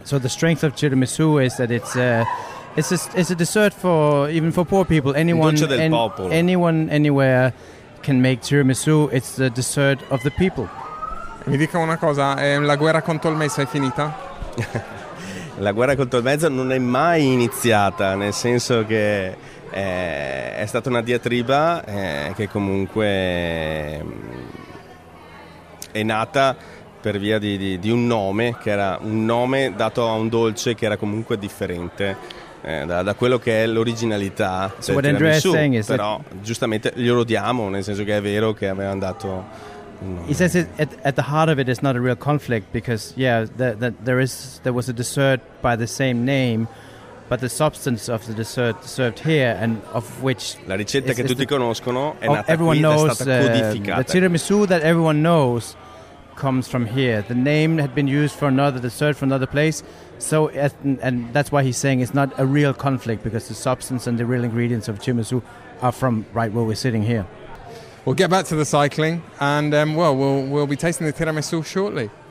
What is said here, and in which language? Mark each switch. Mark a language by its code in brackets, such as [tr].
[en] So the strength of tiramisù is that it's a dessert for even for poor people. Anyone, [it] dolce del popolo. [en] Anyone anywhere can make tiramisù. It's the dessert of the people. [it] Mi dica una cosa, la guerra contro il Messico è finita? La guerra contro il mezzo non è mai iniziata, nel senso che è stata una diatriba che comunque è nata per via di un nome, che era un nome dato a un dolce che era comunque differente da quello che è l'originalità. [en] So what Andrea is saying is [it] però giustamente glielo diamo, nel senso che è vero che aveva dato un nome. [en] He says it, at the heart of it is not a real conflict because there was a dessert by the same name, but the substance of the dessert served here and of which [it] la ricetta che tutti conoscono è nata qui, è stata codificata. [en] The tiramisu that everyone knows comes from here. The name had been used for another dessert from another place, so and that's why he's saying it's not a real conflict because the substance and the real ingredients of tiramisu are from right where we're sitting here. We'll get back to the cycling, and we'll be tasting the tiramisu shortly.